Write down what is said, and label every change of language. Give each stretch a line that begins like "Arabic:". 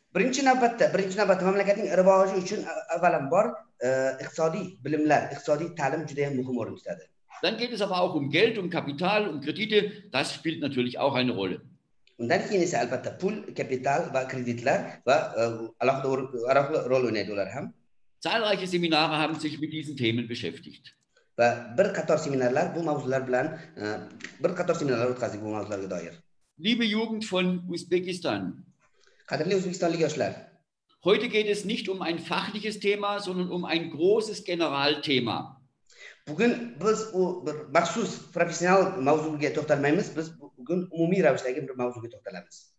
Uzbek: Birinchi navbatda mamlakatning rivoji uchun avvalambor iqtisodiy bilimlar, iqtisodiy ta'lim juda ham muhim o'rin tutadi.
German: Dann geht es aber auch um Geld, um Kapital, um Kredite. Das spielt natürlich auch eine Rolle. Und dann geht es
Uzbek: albatta pul, kapital va kreditlar va alohida rol o'ynaydi ular ham.
German: Zahlreiche Seminare haben sich mit diesen Themen beschäftigt.
Uzbek: Va bir qator seminarlar bu mavzular bilan bir qator seminarlar o'tkazdik bu mavzularga doir.
German: Liebe Jugend von Usbekistan.
Uzbek: Qadrli o'zbekistonlik yoshlar.
German: Heute geht es nicht um ein fachliches Thema, sondern um ein großes Generalthema.
Uzbek: Bugun biz u bir maxsus professional mavzuga to'xtalmaymiz, biz bugun umumiy ravishdagi bir mavzuga to'xtalamiz.